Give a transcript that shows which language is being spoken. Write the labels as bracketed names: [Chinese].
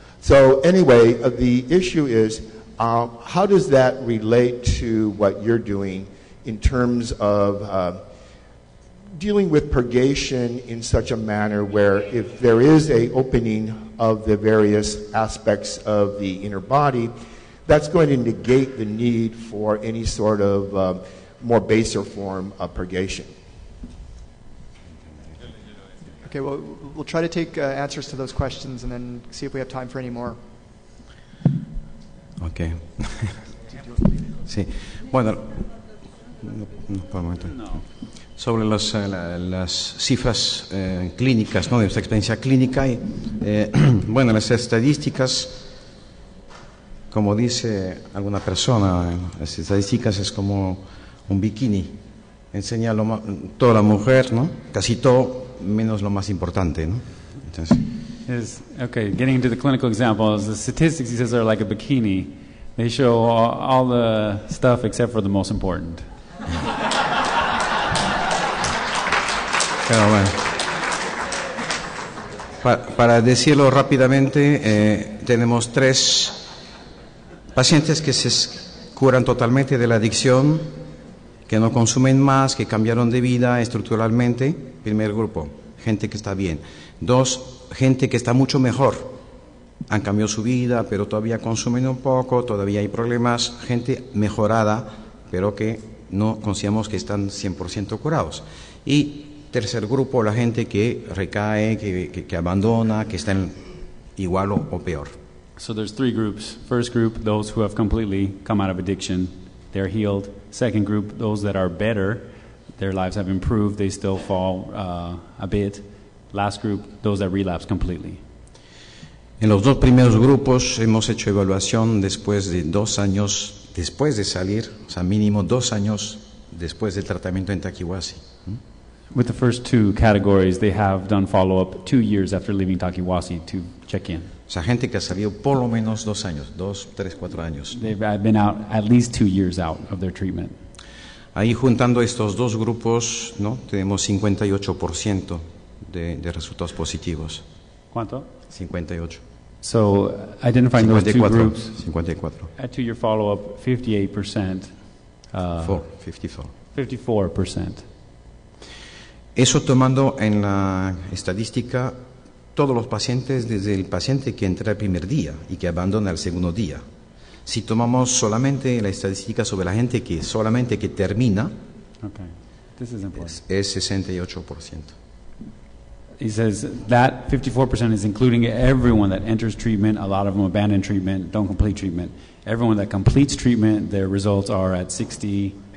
[English] So anyway, the issue is, how does that relate to what you're doing in terms of dealing with purgation in such a manner where if there is a opening of the various aspects of the inner body, that's going to negate the need for any sort of more baser form of purgation? Okay, well, we'll try to take answers to those questions and then see if we have time for any more. [Spanish] Okay. Sí. Bueno, sobre las cifras clínicas, ¿no?, de nuestra experiencia clínica, y, bueno, las estadísticas, como dice alguna persona, las estadísticas es como un bikini, enseña toda la mujer, ¿no?, casi todo, menos lo más importante, ¿no? Entonces, [English] okay, getting into the clinical examples, the statistics, he says, are like a bikini. They show all the stuff except for the most important. [Spanish] Pero bueno, para decirlo rápidamente, tenemos tres pacientes que se curan totalmente de la adicción, que no consumen más, que cambiaron de vida estructuralmente. Primer grupo, gente que está bien. Dos, gente que está mucho mejor. Han cambiado su vida, pero todavía consumen un poco, todavía hay problemas. Gente mejorada, pero que no consideramos que están 100% curados. Y tercer grupo, la gente que recae, que abandona, que está igual o peor. [English] So there's three groups. First group, those who have completely come out of addiction, they're healed. Second group, those that are better, their lives have improved, they still fall a bit. Last group, those that relapse completely. [Spanish] En los dos primeros grupos hemos hecho evaluación después de dos años después de salir, o sea, mínimo dos años después del tratamiento en Takawaski. [English] With the first two categories, they have done follow-up 2 years after leaving Takawaski to check in. [Spanish] O sea, gente que ha salido por lo menos dos años, dos, tres, cuatro años. [English] They've been out at least 2 years out of their treatment. [Spanish] Ahí juntando estos dos grupos, ¿no?, tenemos 58% de resultados positivos. ¿Cuánto? 58. [English] So identifying 54, those two groups. 54. To your follow-up, 58%. 54%. [Spanish] Eso tomando en la estadística todos los pacientes, desde el paciente que entra el primer día y que abandona el segundo día. Si tomamos solamente la estadística sobre la gente que solamente que termina, [English] okay. This is important. [Spanish] Es 68%. [English] He says that 54% is including everyone that enters treatment, a lot of them abandon treatment, don't complete treatment. Everyone that completes treatment, their results are at 68%.